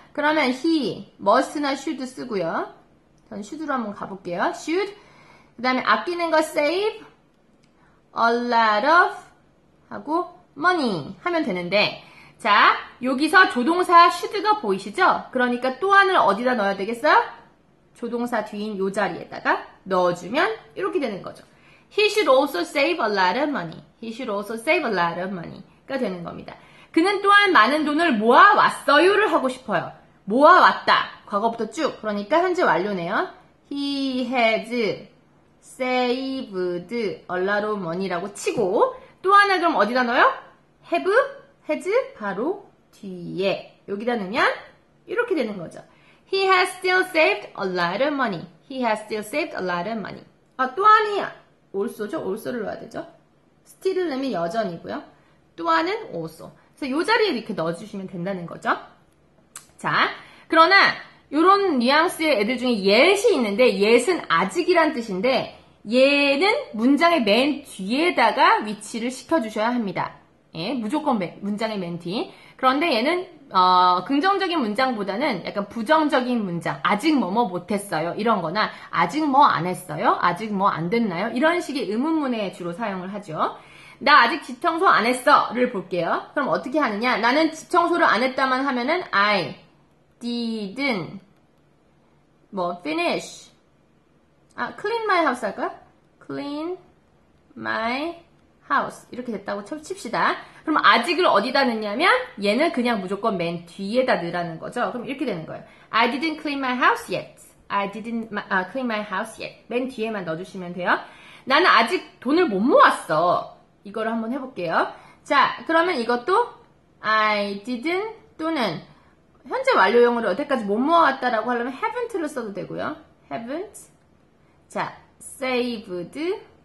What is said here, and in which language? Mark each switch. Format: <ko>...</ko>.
<ko>그러면 he, must나 should 쓰고요. 전 should로 한번 가볼게요. should. 그 다음에 아끼는 거 save. lot of 하고 money 하면 되는데, 자, 여기서 조동사 should가 보이시죠? 그러니까 또한을 어디다 넣어야 되겠어요? 조동사 뒤인 요 자리에다가 넣어주면 이렇게 되는 거죠.</ko> <en>He should also save a lot of money. He should also save a lot of money가</en> <ko>되는 겁니다. 그는 또한 많은 돈을 모아왔어요를 하고 싶어요. 모아왔다. 과거부터 쭉. 그러니까 현재 완료네요.</ko> <en>He has saved a lot of money</en> <ko>라고 치고 또 하나 그럼 어디다 넣어요? Have, has 바로 뒤에 여기다 넣으면 이렇게 되는 거죠.</ko> <en>He has still saved a lot of money. He has still saved a lot of money.</en> <ko>아, 또한이 also죠? also를 넣어야 되죠. still을 넣으면 여전이고요. 또한은 also. 그래서 요 자리에 이렇게 넣어주시면 된다는 거죠. 자, 그러나 요런 뉘앙스의 애들 중에 yet이 있는데 yet은 아직이란 뜻인데 얘는 문장의 맨 뒤에다가 위치를 시켜주셔야 합니다. 예, 무조건 문장의 맨 뒤. 그런데 얘는 긍정적인 문장보다는 약간 부정적인 문장, 아직 뭐뭐 못했어요 이런 거나 아직 뭐안 했어요? 아직 뭐안 됐나요? 이런 식의 의문문에 주로 사용을 하죠. 나 아직 집 청소 안 했어를 볼게요. 그럼 어떻게 하느냐? 나는 집 청소를 안 했다만 하면은</ko> <en>I didn't</en> <ko>뭐 finish 아,</ko> <en>clean my house</en> <ko>할까요?</ko> <en>clean my house.</en> <ko>이렇게 됐다고 칩시다. 그럼 아직을 어디다 넣냐면 얘는 그냥 무조건 맨 뒤에다 넣으라는 거죠. 그럼 이렇게 되는 거예요.</ko> <en>I didn't clean my house yet. I didn't clean my house yet.</en> <ko>맨 뒤에만 넣어주시면 돼요. 나는 아직 돈을 못 모았어. 이거를 한번 해볼게요. 자, 그러면 이것도 I didn't 또는 현재 완료형으로 여태까지 못 모았다라고 하려면 haven't를 써도 되고요.</ko> <en>haven't.</en> <ko>자,</ko> <en>saved.</en>